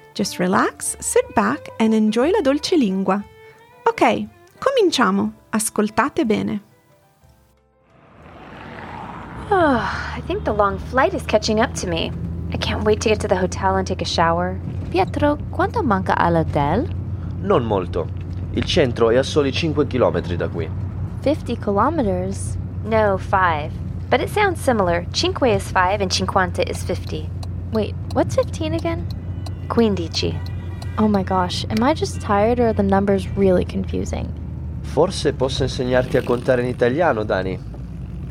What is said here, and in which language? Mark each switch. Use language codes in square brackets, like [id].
[en] Just relax, sit back, and enjoy [it] la dolce lingua. Okay, cominciamo. Ascoltate bene. [en] Oh, I think the long flight is catching up to me. I can't wait to get to the hotel and take a shower. [it] Pietro, quanto manca all'hotel? Non molto. Il centro è a soli 5 chilometri da qui. [en] 50 kilometers? No, 5. But it sounds similar. Cinque is 5 and cinquanta is 50. Wait, what's 15 again? [it] Quindici. [en] Oh my gosh, am I just tired or are the numbers really confusing? [it] Forse posso insegnarti a contare in italiano, Dani.